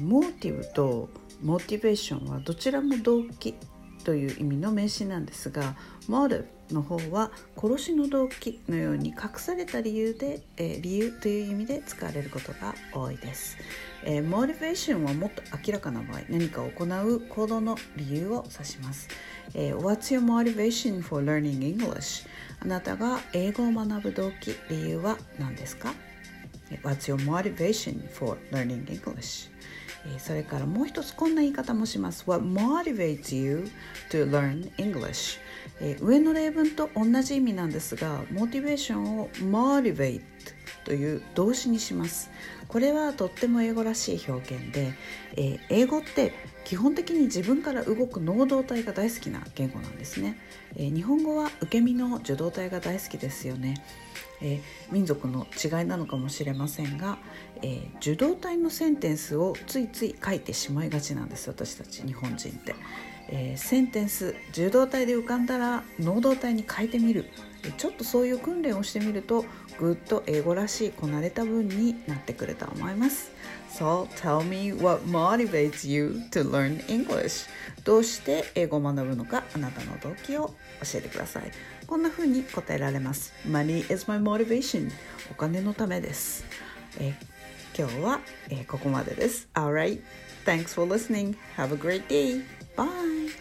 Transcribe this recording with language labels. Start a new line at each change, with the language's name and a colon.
Japanese: Motive と Motivation はどちらも動機という意味の名詞なんですが、 Motive の方は殺しの動機のように隠された理由で、理由という意味で使われることが多いです。 Motivation はもっと明らかな場合、何かを行う行動の理由を指します。
English: What's your motivation for learning English?
Japanese: あなたが英語を学ぶ動機、理由は何ですか？
English: What's your motivation for learning English?
Japanese: それからもう一つこんな言い方もします。
English: What motivates you to learn English?
Japanese: 上の例文と同じ意味なんですが、モチベーションを motivate という動詞にします。これはとっても英語らしい表現で、英語って基本的に自分から動く能動体が大好きな言語なんですね。日本語は受け身の受動体が大好きですよね。民族の違いなのかもしれませんが、受動体のセンテンスをついつい書いてしまいがちなんです、私たち日本人って。センテンス受動体で浮かんだら能動体に変えてみる、ちょっとそういう訓練をしてみるとぐっと英語らしいこなれた文になってくると思います。
English: So tell me what motivates you to learn English.
Japanese: どうして英語を学ぶのか、あなたの動機を教えてください。こんな風に答えられます。
English: Money is my motivation.
Japanese: お金のためです。今日は、ここまでです。
English: Alright. Thanks for listening. Have a great day. Bye.